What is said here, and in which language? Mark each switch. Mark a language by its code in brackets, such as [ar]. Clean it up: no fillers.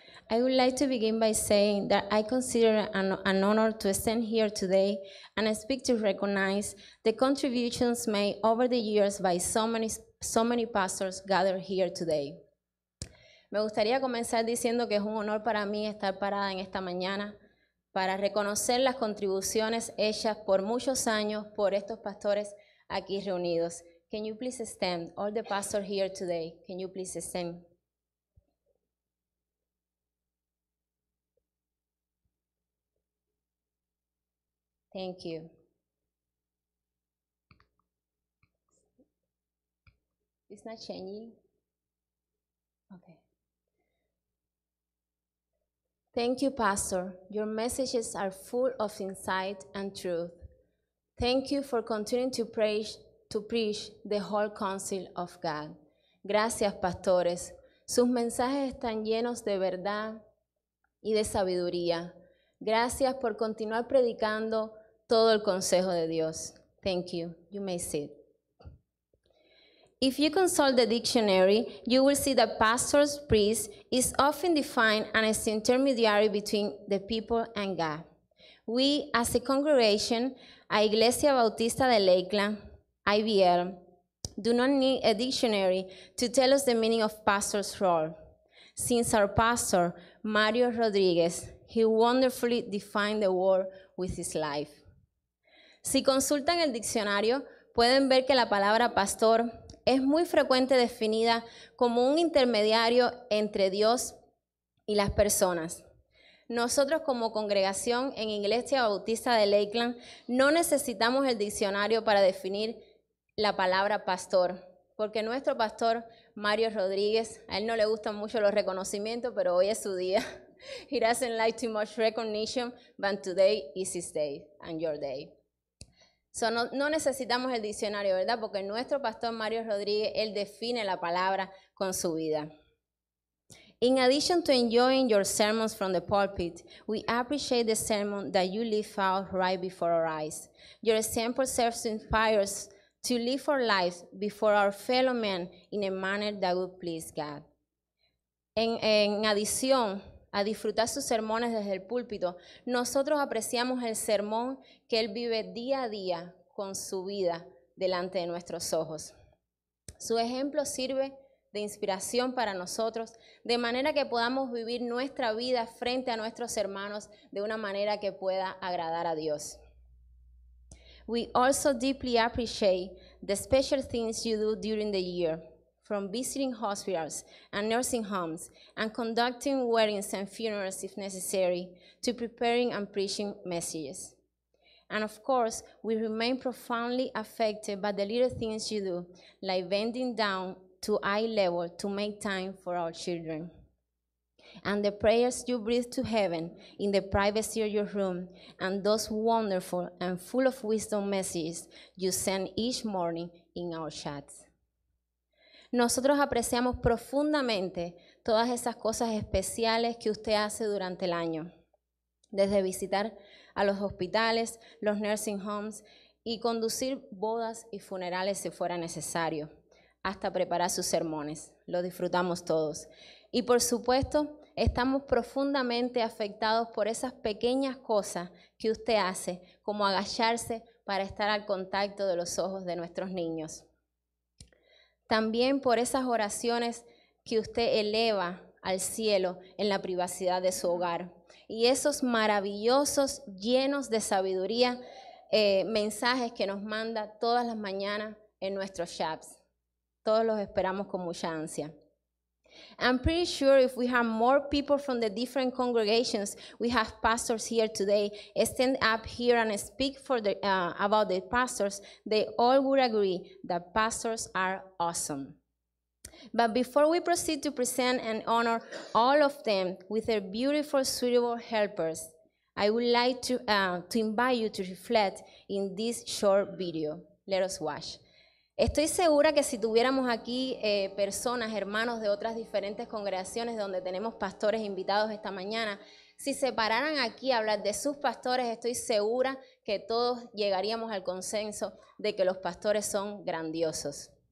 [en] I would like to begin by saying that I consider it an honor to stand here today and speak to recognize the contributions made over the years by so many pastors gathered here today. [es] Me gustaría comenzar diciendo que es un honor para mí estar parada en esta mañana para reconocer las contribuciones hechas por muchos años por estos pastores aquí reunidos. [en] Can you please stand? All the pastors here today, can you please stand? Thank you. It's not changing. Okay. Thank you, Pastor. Your messages are full of insight and truth. Thank you for continuing to preach the whole counsel of God. [es] Gracias, pastores. Sus mensajes están llenos de verdad y de sabiduría. Gracias por continuar predicando todo el consejo de Dios. [en] Thank you. You may sit. If you consult the dictionary, you will see that pastors, priests, is often defined as an intermediary between the people and God. We, as a congregation, a Iglesia Bautista de Lakeland, IBL, do not need a dictionary to tell us the meaning of pastor's role. Since our pastor, Mario Rodriguez, he wonderfully defined the word with his life. [es] Si consultan el diccionario, pueden ver que la palabra pastor es muy frecuente definida como un intermediario entre Dios y las personas. Nosotros como congregación en Iglesia Bautista de Lakeland no necesitamos el diccionario para definir la palabra pastor, porque nuestro pastor Mario Rodriguez, a él no le gustan mucho los reconocimientos, pero hoy es su día. [en] He doesn't like too much recognition, but today is his day and your day. [es] So no necesitamos el diccionario, ¿verdad? Porque nuestro pastor Mario Rodriguez, él define la palabra con su vida. [en] In addition to enjoying your sermons from the pulpit, we appreciate the sermon that you live out right before our eyes. Your example serves to inspire us to live our lives before our fellow men in a manner that would please God. [es] En adición a disfrutar sus sermones desde el púlpito, nosotros apreciamos el sermón que él vive día a día con su vida delante de nuestros ojos. Su ejemplo sirve de inspiración para nosotros, de manera que podamos vivir nuestra vida frente a nuestros hermanos de una manera que pueda agradar a Dios. [en] We also deeply appreciate the special things you do during the year, from visiting hospitals and nursing homes and conducting weddings and funerals if necessary, to preparing and preaching messages. And of course, we remain profoundly affected by the little things you do, like bending down to eye level to make time for our children. And the prayers you breathe to heaven in the privacy of your room and those wonderful and full of wisdom messages you send each morning in our chats. [es] Nosotros apreciamos profundamente todas esas cosas especiales que usted hace durante el año, desde visitar a los hospitales, los [en] nursing homes [es] y conducir bodas y funerales si fuera necesario, hasta preparar sus sermones. Lo disfrutamos todos. Y por supuesto, estamos profundamente afectados por esas pequeñas cosas que usted hace, como agacharse para estar al contacto de los ojos de nuestros niños. También por esas oraciones que usted eleva al cielo en la privacidad de su hogar. Y esos maravillosos, llenos de sabiduría, mensajes que nos manda todas las mañanas en nuestros chats. Todos los esperamos con mucha ansia. [en] I'm pretty sure if we have more people from the different congregations, we have pastors here today, stand up here and speak about the pastors, they all would agree that pastors are awesome. But before we proceed to present and honor all of them with their beautiful, suitable helpers, I would like to invite you to reflect in this short video. Let us watch. [es] Estoy segura que si tuviéramos aquí personas, hermanos de otras diferentes congregaciones donde tenemos pastores invitados esta mañana, si se pararan aquí a hablar de sus pastores, estoy segura que todos llegaríamos al consenso de que los pastores son grandiosos.